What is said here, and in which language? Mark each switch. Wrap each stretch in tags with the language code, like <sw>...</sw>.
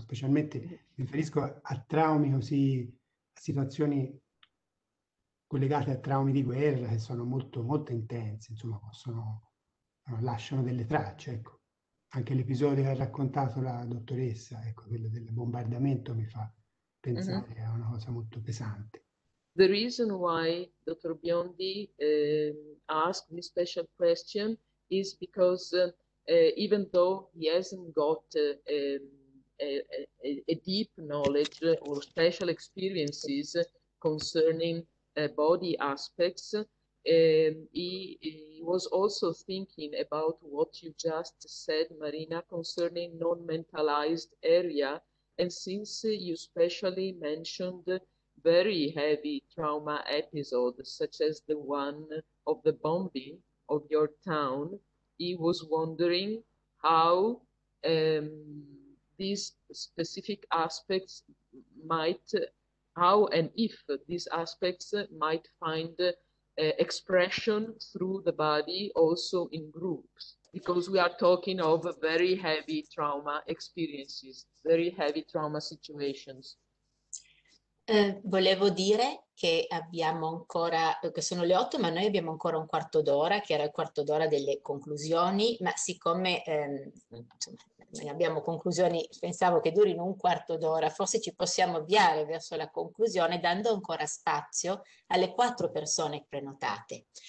<it>Specialmente mi riferisco a traumi così, a situazioni collegate a traumi di guerra che sono molto molto intense, insomma, possono, lasciano delle tracce, ecco. Anche l'episodio che ha raccontato la dottoressa, ecco, quello del bombardamento mi fa pensare a una cosa molto pesante.</it> <en>The reason why Dr. Biondi asked this special question is because even though he hasn't got a deep knowledge or special experiences concerning body aspects, he was also thinking about what you just said, Marina, concerning non-mentalized area. And since you specially mentioned very heavy trauma episodes, such as the one of the bombing of your town, he was wondering how these specific aspects might, how and if these aspects might find expression through the body also in groups, because we are talking of very heavy trauma experiences, very heavy trauma situations.</en> <it>Volevo dire che abbiamo ancora, che sono le 8, ma noi abbiamo ancora un quarto d'ora, che era il quarto d'ora delle conclusioni, ma siccome insomma, abbiamo conclusioni, pensavo che durino un quarto d'ora, forse ci possiamo avviare verso la conclusione dando ancora spazio alle 4 persone prenotate.</it>